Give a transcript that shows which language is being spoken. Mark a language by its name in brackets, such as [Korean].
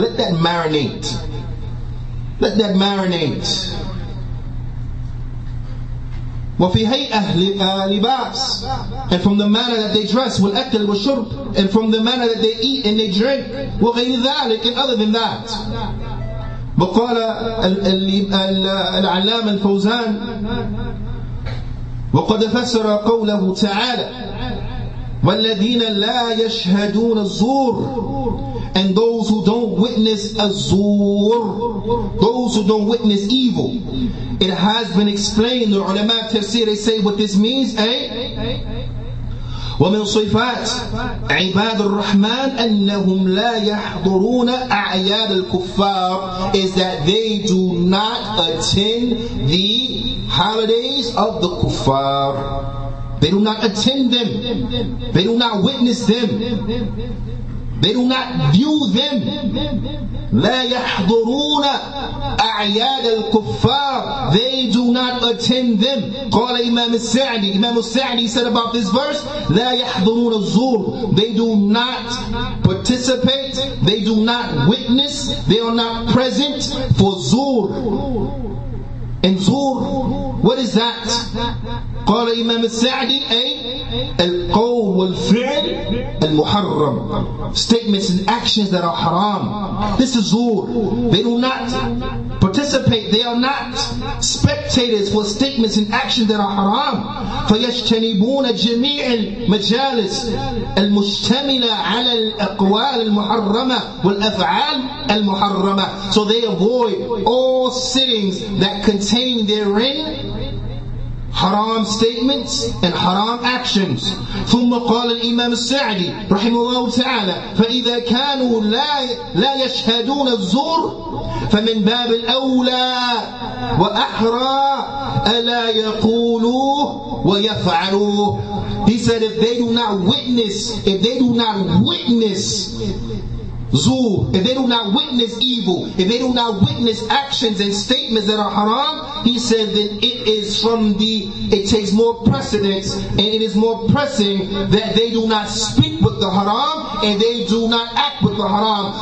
[English] Let that marinate. Let that marinate. [Arabic] وفي هيئة لباس, [English] and from the manner that they dress, [Arabic] والأكل والشرب, [English] and from the manner that they eat and they drink, [Arabic] وغير ذلك, [English] and other than that. [Arabic] وقال العلامة الفوزان وقد فسر قوله تعالى والذين لا يشهدون الزور, [English] and those who don't witness [Arabic] الزور, [English] those who don't witness evil. It has been explained, the ulama tafsir, they say what this means, eh? [Arabic] ومن صفات عباد الرحمن أنهم لا يحضرون أعياد الكفار, [English] is that they do not attend the holidays of the kuffar. They do not attend them. They do not witness them. They do not view them. [Arabic] لا يحضرون أعياد الكفار. [English] They do not attend them. [Arabic] قال إمام السعدي. إمام السعدي [English] said about this verse, [Arabic] لا يحضرون الزور. [English] They do not participate. They do not witness. They are not present for زور. And زور, what is that? [Arabic] قال إمام السعدي, أي القول والفعل المحرم. [English] Statements and actions that are haram. This is زور. They do not participate. They are not spectators for statements and actions that are haram. [Arabic] فيجتنبون جميع المجالس المشتملة على الأقوال المحرمة والأفعال المحرمة. [English] So they avoid all sittings that contain therein haram statements and haram actions. [Arabic] ثم قال الإمام السعدي رحمه الله تعالى فإذا كانوا لا يشهدون الزور فمن باب الأولى وأحرى ألا يقولوه ويفعلوه. [English] He said if they do not witness, if they do not witness زور, if they do not witness evil, if they do not witness actions and statements that are haram, he said that it is from the, it takes more precedence and it is more pressing that they do not speak with the haram and they do not act with the haram.